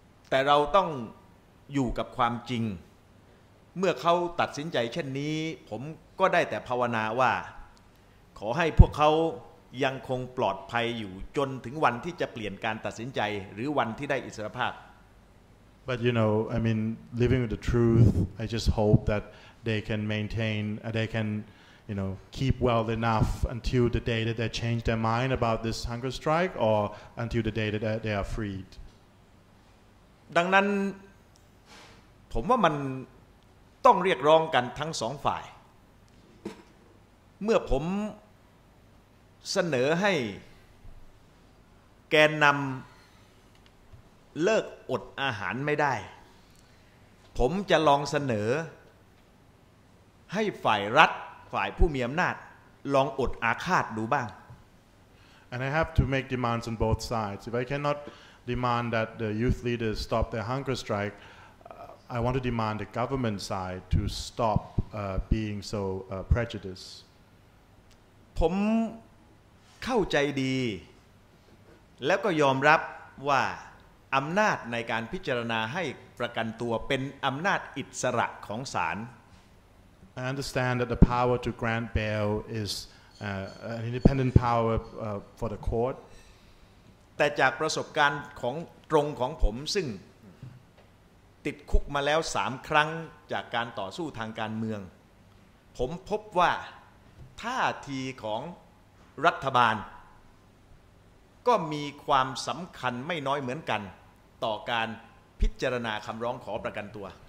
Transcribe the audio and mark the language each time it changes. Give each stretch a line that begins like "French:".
Thai: แต่เราต้องอยู่กับความจริงเมื่อเขาตัดสินใจเช่นนี้ผมก็ได้แต่ภาวนาว่าขอให้พวกเขายังคงปลอดภัยอยู่จนถึงวันที่จะเปลี่ยนการตัดสินใจหรือวันที่ได้อิสรภาพ
English: But you know I mean living with the truth I just hope that they can maintain they can you know keep well enough until the day that they change their mind about this hunger strike or until the day that they are freed
Thai: ดังนั้นผมว่ามันต้องเรียกร้องกันทั้งสองฝ่ายเมื่อผมเสนอให้แกนนำเลิกอดอาหารไม่ได้ผมจะลองเสนอให้ฝ่ายรัฐฝ่ายผู้มีอำนาจลองอดอาฆาตดูบ้าง
English: And I have to make demands on both sides if I cannot demand that the youth leaders stop their hunger strikeI want to demand the government side to stop being so prejudiced.
Thai: ผมเข้าใจดีแล้วก็ยอมรับว่าอำนาจในการพิจารณาให้ประกันตัวเป็นอำนาจอิสระของศาล
English: I understand that the power to grant bail is an independent power for the court.
Thai: แต่จากประสบการณ์ของตรงของผมซึ่งติดคุกมาแล้ว3ครั้งจากการต่อสู้ทางการเมืองผมพบว่าท่าทีของรัฐบาลก็มีความสำคัญไม่น้อยเหมือนกันต่อการพิจารณาคำร้องขอประกันตัว